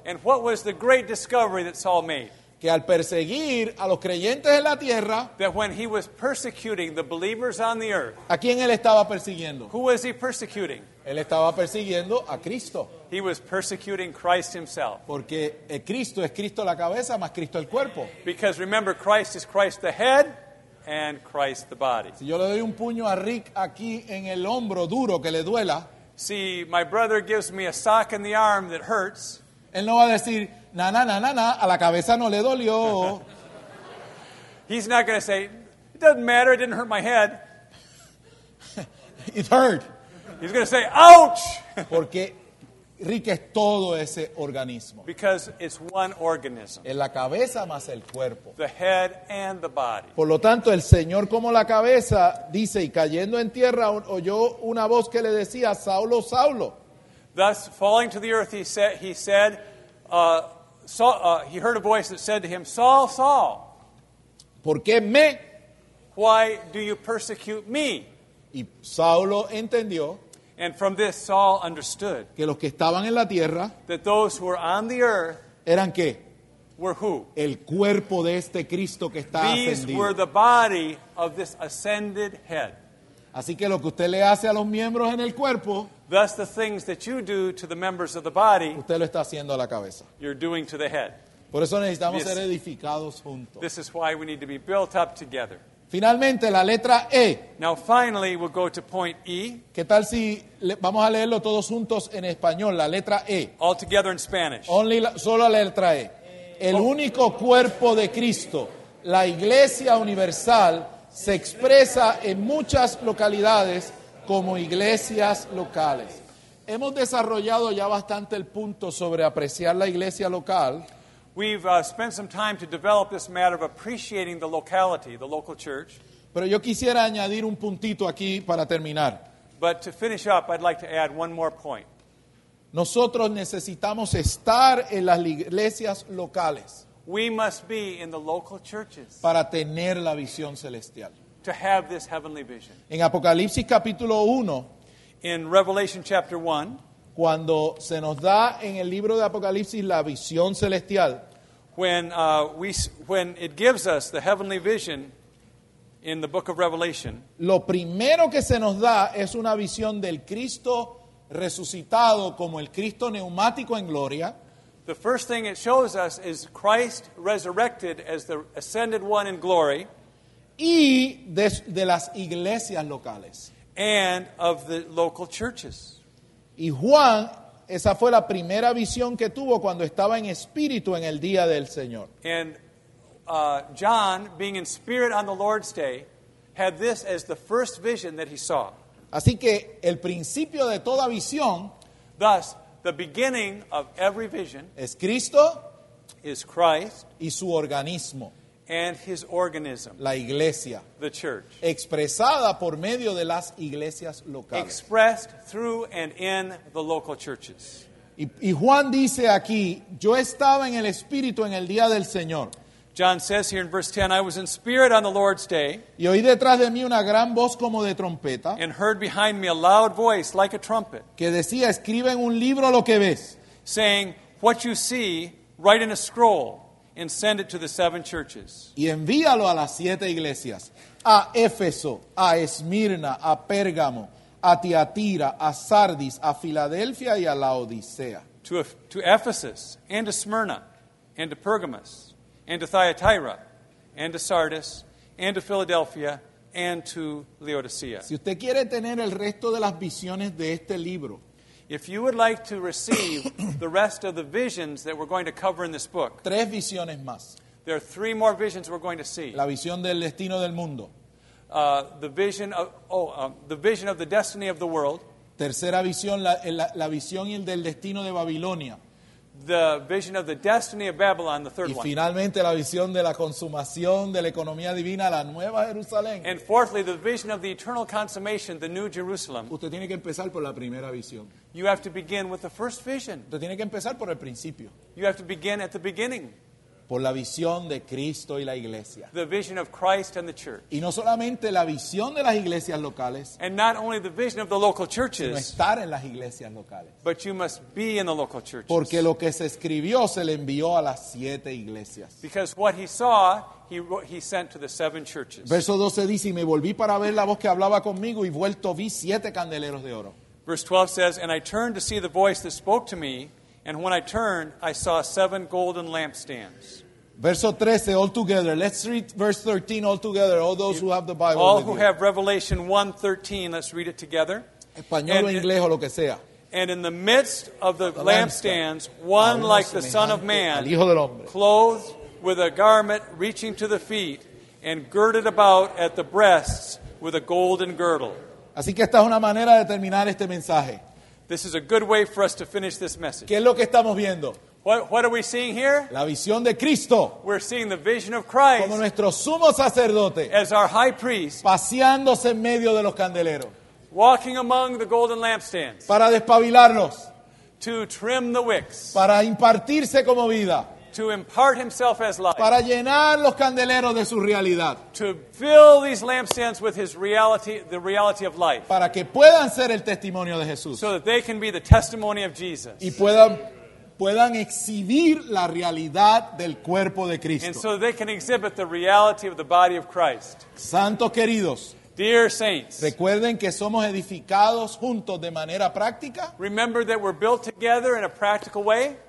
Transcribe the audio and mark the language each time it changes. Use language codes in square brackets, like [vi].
[en] And what was the great discovery that Saul made? [es] Que al perseguir a los creyentes en la tierra, [en] that when he was persecuting the believers on the earth, [es] ¿a quién él estaba persiguiendo? [en] Who was he persecuting? [es] Él estaba persiguiendo a Cristo. [en] He was persecuting Christ himself. [es] Porque Cristo es Cristo la cabeza más Cristo el cuerpo. [en] Because remember, Christ is Christ the head and Christ the body. [es] Si yo le doy un puño a Rick aquí en el hombro duro que le duela, [en] see, my brother gives me a sock in the arm that hurts. [es] Él no va a decir, na, na, na, na, na, a la cabeza no le dolió. [en] He's not going to say, it doesn't matter, it didn't hurt my head. It hurt. He's going to say, ouch! [es] Porque Rick es todo ese organismo. [en] Because it's one organism. [es] En la cabeza más el cuerpo. [en] The head and the body. [es] Por lo tanto, el Señor como la cabeza dice, y cayendo en tierra oyó una voz que le decía, Saulo, Saulo. [en] Thus, falling to the earth, he heard a voice that said to him, Saul, Saul. [es] ¿Por qué me? [en] Why do you persecute me? [es] Y Saulo entendió. [en] And from this, Saul understood [es] que los que estaban en la tierra, [en] that those who were on the earth, [es] eran qué? [en] Were who? [es] El cuerpo de este Cristo que está [en] these [es] ascendido. [en] These were the body of this ascended head. [es] Así que lo que usted le hace a los miembros en el cuerpo, [en] thus the things that you do to the members of the body, [es] usted lo está haciendo a la cabeza. [en] You're doing to the head. [es] Por eso necesitamos ser edificados juntos. [en] This is why we need to be built up together. [es] Finalmente, la letra E. [en] Now, finally, we'll go to point E. [es] ¿Qué tal si vamos a leerlo todos juntos en español, la letra E? [en] All together in Spanish. [es] Solo la letra E. El único cuerpo de Cristo, la Iglesia Universal, se expresa en muchas localidades como iglesias locales. Hemos desarrollado ya bastante el punto sobre apreciar la iglesia local. [en] We've spent some time to develop this matter of appreciating the locality, the local church. [es] Pero yo quisiera añadir un puntito aquí para terminar. [en] But to finish up, I'd like to add one more point. [es] Nosotros necesitamos estar en las iglesias locales. [en] We must be in the local churches. [es] Para tener la visión celestial. [en] To have this heavenly vision. [es] En Apocalipsis capítulo 1. [en] In Revelation chapter 1. [es] Cuando se nos da en el libro de Apocalipsis la visión celestial. [en] When it gives us the heavenly vision in the book of Revelation. [es] Lo primero que se nos da es una visión del Cristo resucitado como el Cristo neumático en gloria. [en] The first thing it shows us is Christ resurrected as the ascended one in glory. [es] Y de las iglesias locales. [en] And of the local churches. [es] Y Juan, esa fue la primera visión que tuvo cuando estaba en espíritu en el día del Señor. [en] And John, being in spirit on the Lord's day, had this as the first vision that he saw. [es] Así que el principio de toda visión, [en] thus, the beginning of every vision, [es] es Cristo, [en] is Christ, [es] y su organismo, [en] and his organism, [es] la iglesia, [en] the church, [es] expresada por medio de las iglesias locales, [en] expressed through and in the local churches. [es] Y Juan dice aquí, yo estaba en el Espíritu en el día del Señor. [en] John says here in verse 10, I was in spirit on the Lord's day. [es] Y oí detrás de mí una gran voz como de trompeta. [en] And heard behind me a loud voice like a trumpet. [es] Que decía, escribe en un libro lo que ves. [en] Saying, what you see, write in a scroll and send it to the seven churches. [es] Y envíalo a las siete iglesias. A Éfeso, a Esmirna, a Pérgamo, a Tiatira, a Sardis, a Filadelfia y a Laodicea. [en] To Ephesus and to Smyrna and to Pergamos. And to Thyatira, and to Sardis, and to Philadelphia, and to Laodicea. [es] Si usted quiere tener el resto de las visiones de este libro, [en] if you would like to receive the rest of the visions that we're going to cover in this book, [es] tres visiones más. [en] There are three more visions we're going to see. [es] La visión del destino del mundo. [en] The vision of the destiny of the world. [es] Tercera visión, la visión y el del destino de Babilonia. [en] The vision of the destiny of Babylon, the third one. [es] Y finalmente la visión de la consumación de la economía divina, la nueva Jerusalén. [en] And fourthly, the vision of the eternal consummation, the new Jerusalem. [es] Usted tiene que empezar por la primera visión. [en] You have to begin with the first vision. [es] Usted tiene que empezar por el principio. [en] You have to begin at the beginning. [es] Por la visión de Cristo y la iglesia. [en] The vision of Christ and the church. [es] Y no solamente la visión de las iglesias locales. [en] And not only the vision of the local churches. [es] Sino estar en las iglesias locales. [en] But you must be in the local churches. [es] Porque lo que se escribió se le envió a las siete iglesias. [en] Because what he saw, he sent to the seven churches. [es] Verso 12 dice, y me volví para ver la voz que hablaba conmigo, y vuelto vi siete candeleros de oro. [en] Verse 12 says, and I turned to see the voice that spoke to me, and when I turned, I saw seven golden lampstands. [es] Verso 13, [en] all together. Let's read verse 13 all together, all those who have the Bible. All who have Revelation 1:13, let's read it together. [es] Español o inglés o lo que sea. [en] And in the midst of the lampstands, one like the Son of Man, [es] al Hijo del Hombre, [en] clothed with a garment reaching to the feet and girded about at the breasts with a golden girdle. [es] Así que esta es una manera de terminar este mensaje. [en] This is a good way for us to finish this message. [es] ¿Qué es lo que estamos viendo? [en] What are we seeing here? [es] La visión de Cristo. [en] We're seeing the vision of Christ. [es] Como nuestro sumo sacerdote. [en] As our high priest. [es] Paseándose en medio de los candeleros. [en] Walking among the golden lampstands. [es] Para despabilarlos. [en] To trim the wicks. [es] Para impartirse como vida. [en] To impart himself as life. [es] Para llenar los candeleros de su realidad. [en] To fill these lampstands with his reality, the reality of life. [es] Para que puedan ser el testimonio de Jesús. [en] So that they can be the testimony of Jesus. [es] Y puedan exhibir la realidad del cuerpo de Cristo. [en] And so they can exhibit the reality of the body of Christ. [es] Santos queridos. [en] Dear saints, [es] recuerden que somos edificados juntos de manera práctica. [en] Remember that we're built together in a practical way.